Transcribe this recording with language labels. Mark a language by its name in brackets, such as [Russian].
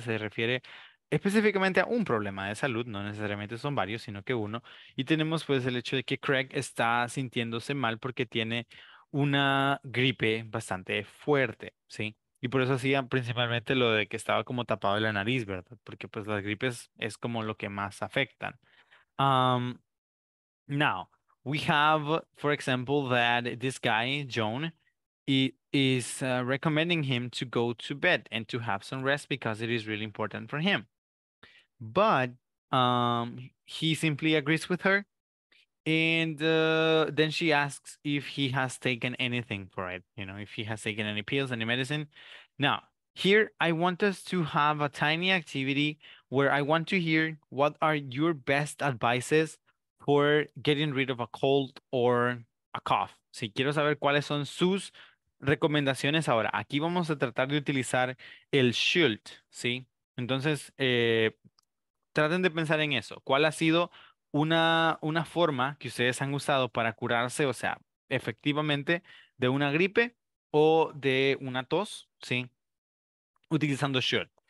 [Spanish] Se refiere específicamente a un problema de salud. No necesariamente son varios, sino que uno. Y tenemos pues el hecho de que Craig está sintiéndose mal porque tiene una gripe bastante fuerte, ¿sí? Y por eso hacía principalmente lo de que estaba como tapado de la nariz, ¿verdad? Porque pues las gripes es como lo que más afectan. [English] Now, we have, for example, that this guy, John, is recommending him to go to bed and to have some rest because it is really important for him. But he simply agrees with her. And then she asks if he has taken anything for it, you know, if he has taken any pills, any medicine. Now, here I want us to have a tiny activity where I want to hear what are your best advices for getting rid of a cold or a cough. [Spanish] Sí, quiero saber cuáles son sus recomendaciones ahora. Aquí vamos a tratar de utilizar el should, ¿sí? Entonces, traten de pensar en eso. ¿Cuál ha sido una forma que ustedes han usado para curarse, o sea, efectivamente, de una gripe o de una tos, ¿sí? Utilizando should.